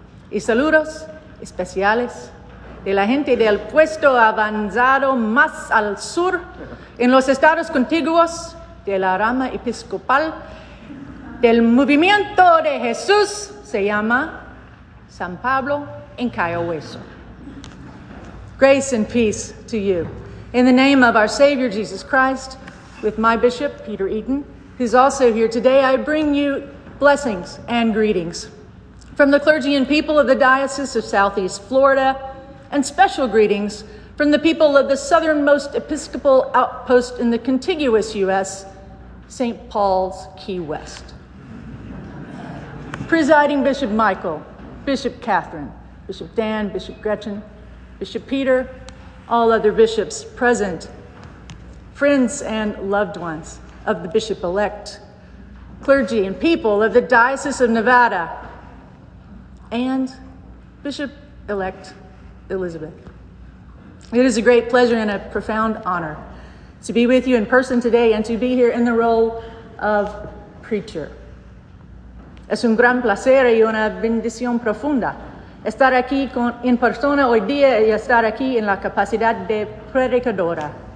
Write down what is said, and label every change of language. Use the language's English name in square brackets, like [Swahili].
[Spanish] Y saludos especiales de la gente del puesto avanzado más al sur, en los estados contiguos de la rama episcopal del movimiento de Jesús, se llama San Pablo en Cayo Hueso. [English] Grace and peace to you. In the name of our Savior Jesus Christ, with my bishop, Peter Eaton, who's also here today, I bring you blessings and greetings from the clergy and people of the Diocese of Southeast Florida, and special greetings from the people of the southernmost Episcopal outpost in the contiguous U.S., St. Paul's Key West. Presiding Bishop Michael, Bishop Catherine, Bishop Dan, Bishop Gretchen, Bishop Peter, all other bishops present, friends and loved ones of the bishop-elect, clergy and people of the Diocese of Nevada, and Bishop-elect Elizabeth. It is a great pleasure and a profound honor to be with you in person today and to be here in the role of preacher. [Spanish] Es un gran placer y una bendición profunda estar aquí en persona hoy día y estar aquí en la capacidad de predicadora.